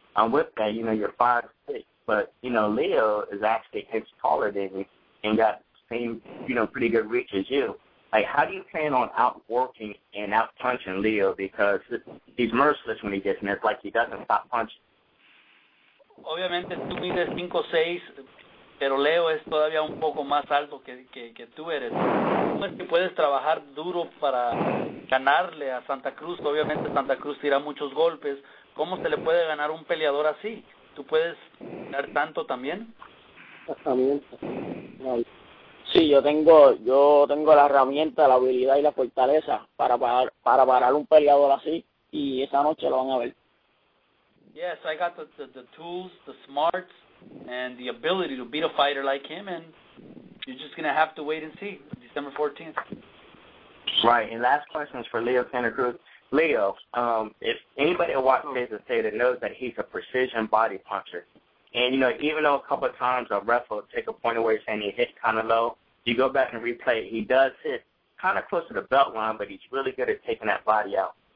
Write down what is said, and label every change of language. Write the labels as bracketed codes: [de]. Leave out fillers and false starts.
[en] With that, you know, you're 5'6", but, you know, Leo is actually inch taller than you and got same, you know, pretty good reach as you. Like, how do you plan on outworking and out-punching Leo, because he's merciless when he gets missed, like he doesn't stop punching? [es] Obviamente, tú mides 5'6", pero Leo es todavía un poco más alto que tú eres. ¿Cómo es que puedes trabajar duro para ganarle a Santa Cruz? Obviamente Santa Cruz tira muchos golpes. ¿Cómo se le puede ganar un peleador así? ¿Tú puedes dar tanto también? También. Sí, yo tengo la herramienta, la habilidad y la fortaleza para parar un peleador así, y esa noche lo van a ver. [en] Yes, I got the tools, the smarts, and the ability to beat a fighter like him, and you're just going to have to wait and see, December 14th. Right, and last question is for Leo Santa Cruz. Leo, if anybody at Washington State knows that he's a precision body puncher, and, you know, even though a couple of times a ref will take a point away saying he hit kind of low, you go back and replay, he does hit kind of close to the belt line, but he's really good at taking that body out.